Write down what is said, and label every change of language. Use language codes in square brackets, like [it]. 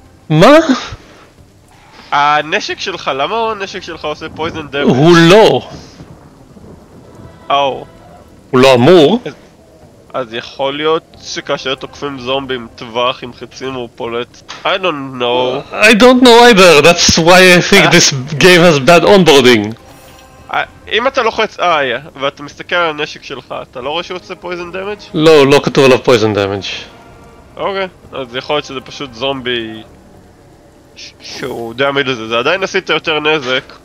[he] מה? הנשק שלך, למה הנשק שלך עושה פויזן דמג? הוא לא! אאו. הוא לא אמור. אז יכול להיות שכאשר תוקפים זומבי עם טווח, עם חצים, הוא פולט. [en] I don't know. I don't know either, that's why I think this game has bad onboarding. [he] אם אתה לוחץ I ואתה מסתכל על הנשק שלך, אתה לא רואה שהוא עושה poison damage? לא, לא כתוב עליו poison damage. אוקיי, אז יכול להיות שזה פשוט זומבי שהוא דאמיד לזה, זה עדיין עשית יותר נזק.